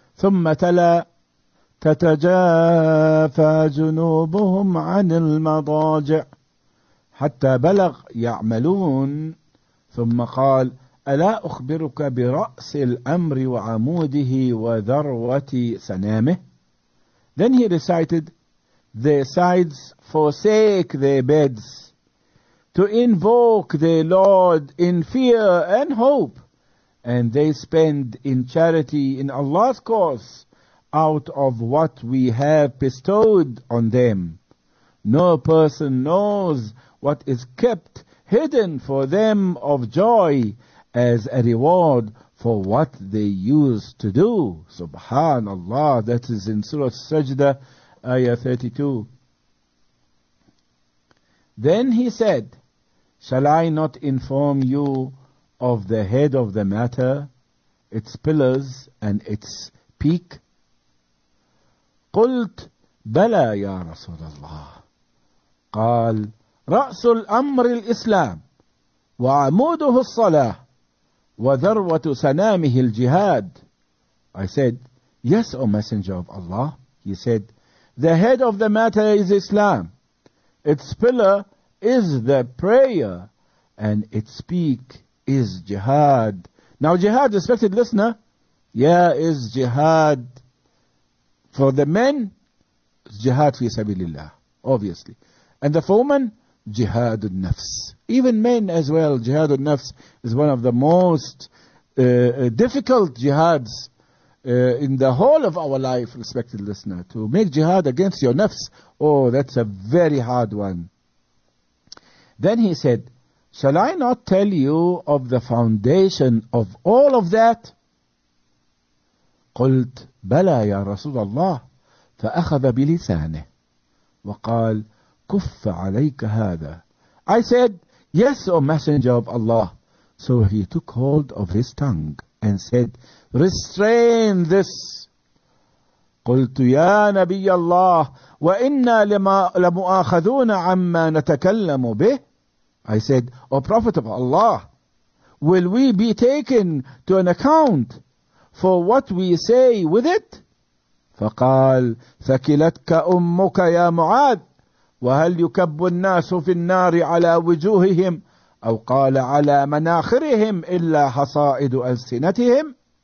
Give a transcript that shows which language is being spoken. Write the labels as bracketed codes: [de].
[ar] ثم تلا تتجافى جنوبهم عن المضاجع حتى بلغ يعملون ثم قال ألا أخبرك برأس الأمر وعموده وذروة سنامه. [en] Then he recited, their sides forsake their beds to invoke their Lord in fear and hope, and they spend in charity in Allah's cause out of what we have bestowed on them. No person knows what is kept hidden for them of joy as a reward for what they used to do. Subhanallah, that is in Surah Sajda, Ayah 32. Then he said, shall I not inform you of the head of the matter, its pillars and its peak? [ar] قلت بلى يا رسول الله. قال رأس الأمر الإسلام وعموده الصلاة وذروة سنامه الجهاد. [en] I said, yes, O Messenger of Allah. He said, the head of the matter is Islam, its pillar is the prayer, and its peak is jihad. Now jihad, respected listener, yeah, is jihad for the men, [ar] jihad fi sabilillah, [en] obviously. And the for women, jihad al-nafs. Even men as well, jihad al-nafs is one of the most difficult jihads in the whole of our life, respected listener. To make jihad against your nafs, oh, that's a very hard one. Then he said, shall I not tell you of the foundation of all of that? [ar] قلت بلى يا رسول الله فأخذ بلسانه وقال كف عليك هذا. [en] I said, yes, O Messenger of Allah. So he took hold of his tongue and said, restrain this. [ar] قلت يا نبي الله وإنا لمؤاخذون عما نتكلم به. [en] I said, O Prophet of Allah, will we be taken to an account for what we say with it? [ar] فقال ثكلتك أمك يا معاذ وهل يكب الناس في النار على وجوههم أو قال على مناخرهم إلا حصائد ألسنتهم.